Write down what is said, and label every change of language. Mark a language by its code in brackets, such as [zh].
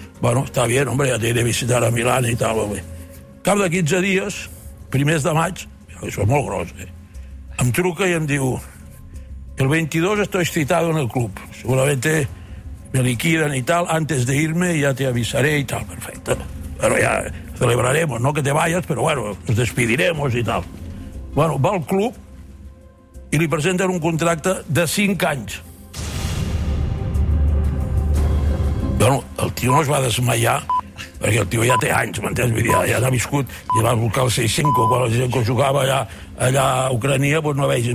[es] Bueno, está bien, hombre, ya te iré a visitar a Milán y tal, hombre. [ca] Cap de 15 dies, primers de maig, això és molt gros, eh? Em truca i em diu el 22 [es] estoy citado en el club, seguramente me liquidan y tal, antes de irme ya te avisaré y tal, perfecto, pero ya celebraremos, no que te vayas, pero bueno, nos despediremos y tal. [ca] Bueno, va al club i li presenten un contracte de 5 anys. Bueno, el tio no es va desmaiar, perquè el tio ja té anys, m'entens? Vull dir, ja n'ha viscut, i va buscar el 6-5, quan la gent que jugava allà a Ucrania, doncs no vegis.